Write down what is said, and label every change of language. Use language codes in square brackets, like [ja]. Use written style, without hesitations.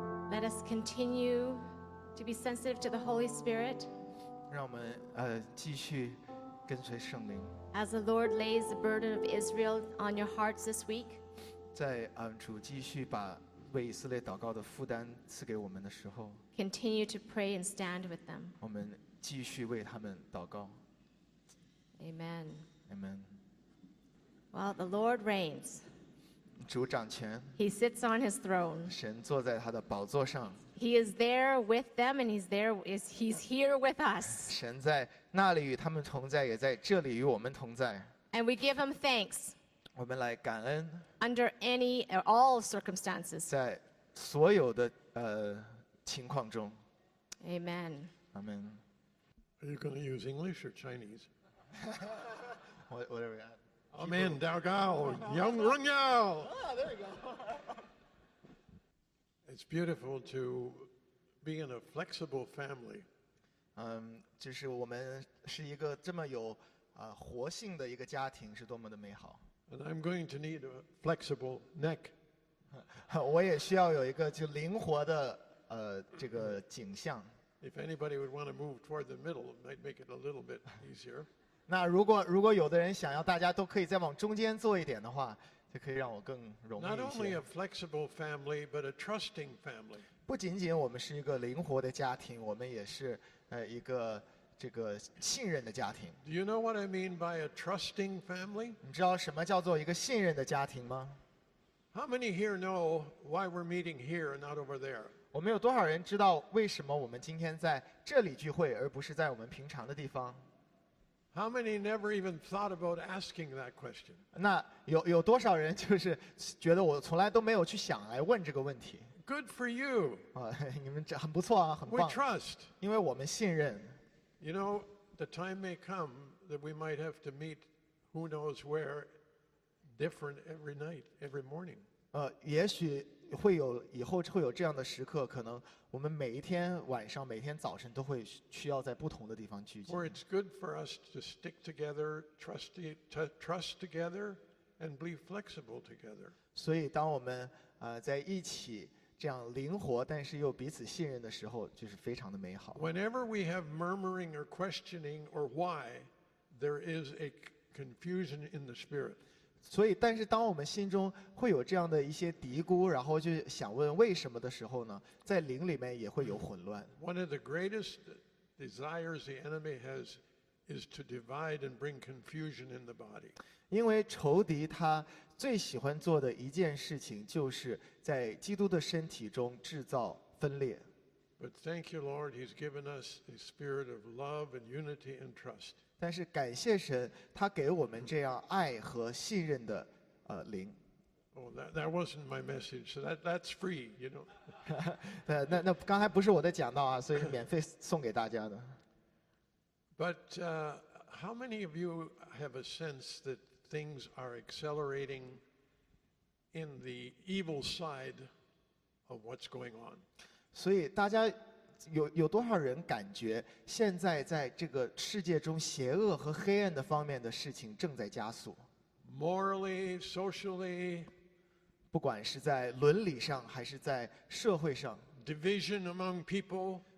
[en] Let us continue to be sensitive to the Holy Spirit. [zh] 让我们继续跟随圣灵。 [en] As the Lord lays the burden of Israel on your hearts this week. [zh] 在主继续把为以色列祷告的负担赐给我们的时候。 [en] Continue to pray and stand with them. [zh] 我们继续为他们祷告。 [en] Amen. Amen. Well, the Lord reigns. [zh] 主掌权。 [en] He sits on his throne. [zh] 神坐在他的宝座上。 [en] He is there with them, and he's here with us. [zh] 神在那里与他们同在，也在这里与我们同在。 [en] And we give him thanks. [zh] 我们来感恩。 [en] Under any or all circumstances. [zh] 在所有的情况中。 [en] Amen. Amen. Are you going to use English or Chinese? Whatever. Amen. Dao Gao. Yang Rung Yao. Ah, there you go. It's beautiful to be in a flexible family. [zh] 就是我们是一个这么有活性的一个家庭，是多么的美好。 [en] And I'm going to need a flexible neck. [zh] 我也需要有一个就灵活的这个颈项。 [en] If anybody would want to move toward the middle, it might make it a little bit easier. [zh] 那如果有的人想要大家都可以再往中间坐一点的话。就可以让我更容易一些。 [en] Not only a flexible family, but a trusting family. [zh] 不仅仅我们是一个灵活的家庭，我们也是一个这个信任的家庭。 [en] Do you know what I mean by a trusting family? [zh] 你知道什么叫做一个信任的家庭吗 [en] ？How many here know why we're meeting here and not over there? [zh] 我们有多少人知道为什么我们今天在这里聚会，而不是在我们平常的地方？ [en] How many never even thought about asking that question? [zh] 那有多少人就是觉得我从来都没有去想来问这个问题。 [en] Good for you. [zh] 你们这很不错啊，很棒。 [en] We trust. [zh] 因为我们信任。 [en] You know, the time may come that we might have to meet, who knows where, different every night, every morning. [zh] 也许会有以后会有这样的时刻，可能我们每一天晚上、每天早晨都会需要在不同的地方聚集。 [en] Or it's good for us to stick together, trust together, and be flexible together. [zh] 所以，当我们在一起这样灵活，但是又彼此信任的时候，就是非常的美好。 [en] Whenever we have murmuring or questioning or why, there is a confusion in the spirit. [zh] 所以，但是当我们心中会有这样的一些嘀咕，然后就想问为什么的时候呢，在灵里面也会有混乱。 [en] One of the greatest desires the enemy has is to divide and bring confusion in the body. [zh] 因为仇敌他最喜欢做的一件事情，就是在基督的身体中制造分裂。 [en] But thank you, Lord, He's given us a spirit of love and unity and trust. [zh] 但是感谢神，他给我们这样爱和信任的灵。 [en] Oh, that wasn't my message. So that's free, you know. [zh] 那刚才不是我的讲道啊，所以是免费送给大家的。 [en] But how many of you have a sense that things are accelerating in the evil side of what's going on? [zh] 所以大家有多少人感觉现在在这个世界中邪恶和黑暗的方面的事情正在加速 [en] ？Morally, socially， [zh] 不管是在伦理上还是在社会上 [en] ，division among people，